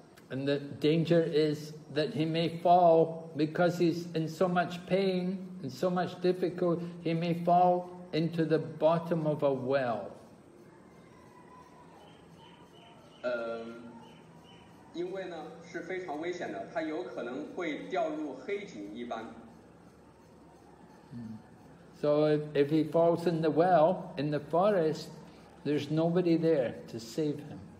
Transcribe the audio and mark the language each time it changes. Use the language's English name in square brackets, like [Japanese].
[English] And the danger is that he may fall because he's in so much pain and so much difficulty, he may fall into the bottom of a well. [Chinese] 因为呢是非常危险的，他有可能会掉入黑井一般。 [English] So if he falls in the well in the forest, there's nobody there to save him.